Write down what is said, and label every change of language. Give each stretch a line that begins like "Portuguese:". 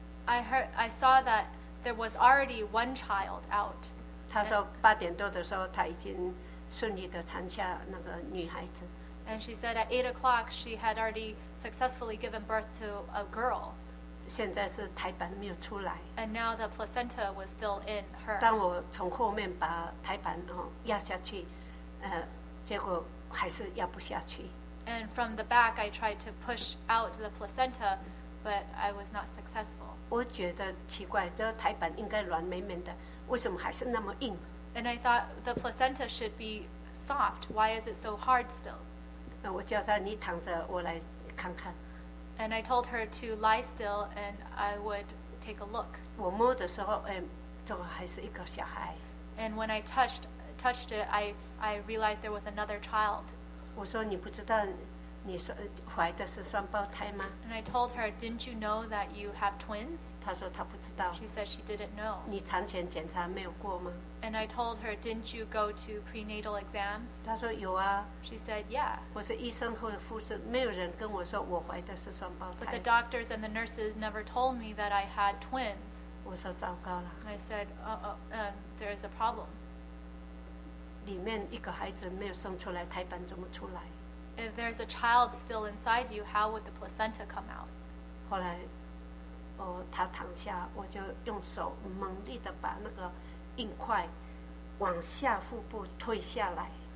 English: I saw that there was already one child out.
Chinese: 他说八点多的时候，他已经顺利的产下那个女孩子。
English: And she said at 8 o'clock she had already successfully given birth to a girl.
Chinese: 现在是胎盘没有出来。
English: And now the placenta was still in her.
Chinese: 当我从后面把胎盘压下去，结果还是压不下去。
English: And from the back I tried to push out the placenta, but I was not successful.
Chinese: 我觉得奇怪，这胎盘应该软绵绵的，为什么还是那么硬？
English: And I thought the placenta should be soft. Why is it so hard still?
Chinese: 我叫她你躺着，我来看看。
English: And I told her to lie still, and I would take a look.
Chinese: 我摸的时候，这个还是一个小孩。
English: And when I touched it, I realized there was another child.
Chinese: 我说你不知道，你说怀的是双胞胎吗？
English: And I told her, didn't you know that you have twins?
Chinese: 她说她不知道。
English: She said she didn't know.
Chinese: 你产前检查没有过吗？
English: And I told her, didn't you go to prenatal exams?
Chinese: 她说有啊。
English: She said, yeah.
Chinese: 我是医生或者护士，没有人跟我说我怀的是双胞胎。
English: But the doctors and the nurses never told me that I had twins.
Chinese: 我说糟糕了。
English: I said, there is a problem.
Chinese: 里面一个孩子没有生出来，胎盘怎么出来？
English: If there's a child still inside you, how would the placenta come out?
Chinese: 后来，他躺下，我就用手猛力地把那个硬块往下腹部推下来。